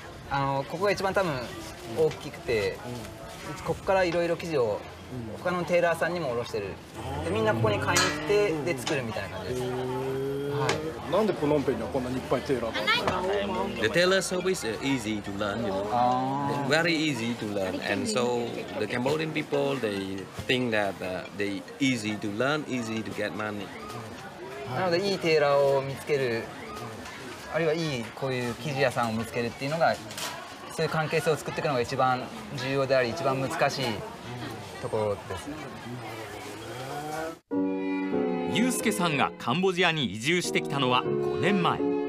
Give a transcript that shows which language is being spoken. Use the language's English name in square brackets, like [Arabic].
[Japanese] ここが一番多分大きくて、うん、ここからいろいろ生地を他のテーラーさんにも卸してる、うん、でみんなここに買いに行って、うん、で作るみたいな感じです。なんでプノンペンにはこんなにいっぱいテーラーがあるんですか？ [English] The tailor service is easy to learn, you know. Very easy to learn. And so the Cambodian people, they think that they easy to learn, easy to get money. [Japanese] なのでいいテーラーを見つける、あるいはいいこういう生地屋さんを見つけるっていうのが、そういう関係性を作っていくのが一番重要であり一番難しいところです。ユウスケさんがカンボジアに移住してきたのは5年前。